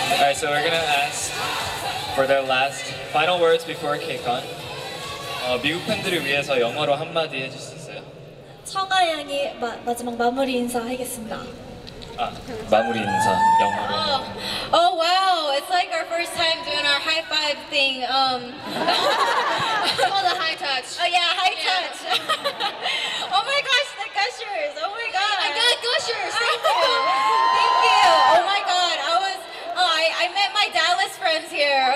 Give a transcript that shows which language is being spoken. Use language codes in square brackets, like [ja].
[en] So we're gonna ask for their last final words before KCON. [ko] 미국 팬들을 위해서 영어로 한마디 해주시겠어요? 청아 양이 마지막 마무리 인사하겠습니다. 아, 마무리 인사 영어로. [en] Oh, oh wow, it's like our first time doing our high five thing. It's called a high touch. Oh yeah, high touch. Yeah. Oh my gosh, the gushers. Oh my god. I got gushers. Thank you. Thank you. Oh my god. I met my Dallas friends here.